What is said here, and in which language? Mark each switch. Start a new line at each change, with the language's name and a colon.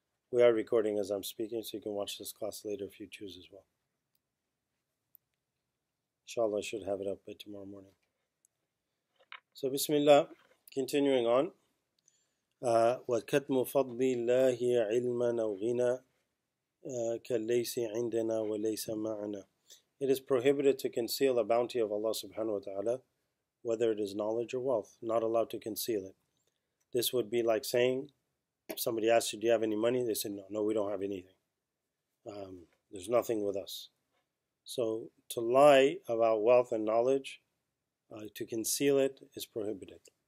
English: We are recording as I'm speaking, so you can watch this class later if you choose as well. Inshallah, I should have it up by tomorrow morning. So, Bismillah. Continuing on,
Arabic: وكتم فضل الله علما أو غنى كليس عندنا وليس معنا.
English: It is prohibited to conceal a bounty of Allah subhanahu wa ta'ala, whether it is knowledge or wealth, not allowed to conceal it. This would be like saying, if somebody asks you, do you have any money? They said, no, we don't have anything. There's nothing with us. So to lie about wealth and knowledge, to conceal it, is prohibited.